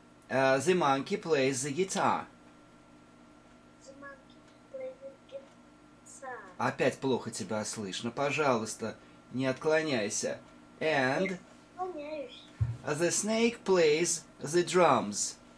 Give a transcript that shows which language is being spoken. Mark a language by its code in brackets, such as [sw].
[en] The monkey plays the guitar. The monkey plays the guitar. [ru] Опять плохо тебя слышно. Пожалуйста, не отклоняйся. [en] And. [ru] Отклоняюсь. [en] The snake plays the drums.